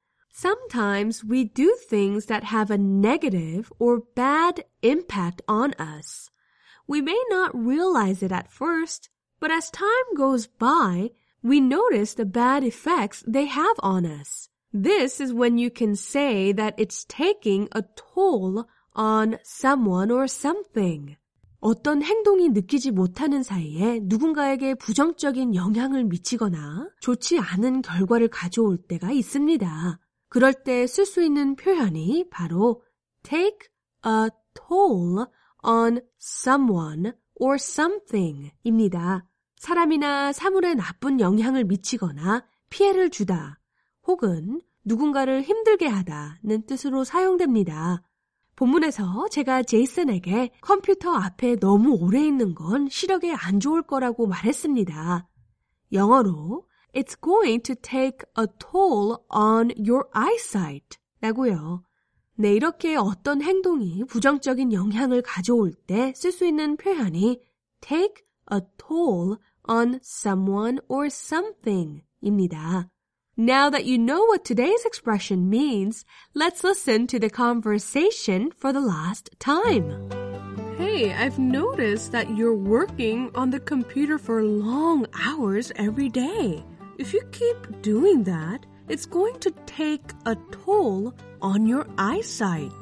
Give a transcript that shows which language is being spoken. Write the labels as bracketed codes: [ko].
[en] Sometimes we do things that have a negative or bad impact on us. We may not realize it at first, but as time goes by, we notice the bad effects they have on us. This is when you can say that it's taking a toll on someone or something. [ko] 어떤 행동이 느끼지 못하는 사이에 누군가에게 부정적인 영향을 미치거나 좋지 않은 결과를 가져올 때가 있습니다. 그럴 때 쓸 수 있는 표현이 바로 [en] take a toll on someone or something [ko] 입니다. 사람이나 사물에 나쁜 영향을 미치거나 피해를 주다 혹은 누군가를 힘들게 하다는 뜻으로 사용됩니다. 본문에서 제가 제이슨에게 컴퓨터 앞에 너무 오래 있는 건 시력에 안 좋을 거라고 말했습니다. 영어로 [en] It's going to take a toll on your eyesight [ko] 라고요. 네, 이렇게 어떤 행동이 부정적인 영향을 가져올 때 쓸 수 있는 표현이 [en] take a toll on someone or something [ko] 입니다. [en] Now that you know what today's expression means, let's listen to the conversation for the last time. Hey, I've noticed that you're working on the computer for long hours every day. If you keep doing that, it's going to take a toll on your eyesight.